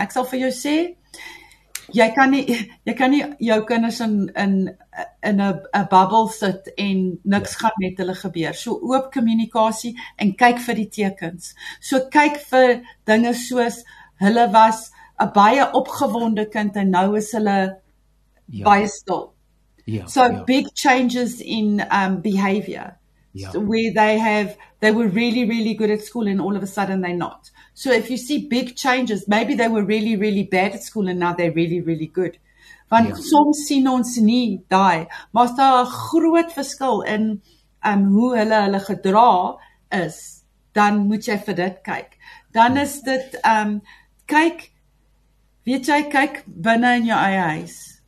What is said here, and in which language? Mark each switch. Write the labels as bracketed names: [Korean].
[Afrikaans] Ek sal vir jou sê, jy kan nie jou kinders in 'n bubble sit en niks gaan met hulle gebeur. So oop kommunikasie en kyk vir die tekens. So kyk vir dinge soos, hulle was 'n baie opgewonde kind en nou is hulle baie stil. [English] Big changes in behavior. So where they were really, really good at school and all of a sudden they're not. So if you see big changes, maybe they were really, really bad at school and now they're really, really good. [Afrikaans] Want soms sien ons nie daai, maar daar 'n groot verskil in hoe hulle gedra is, dan moet jy vir dit kyk. Dan is dit kyk, weet jy, kyk binne in jou eie huis.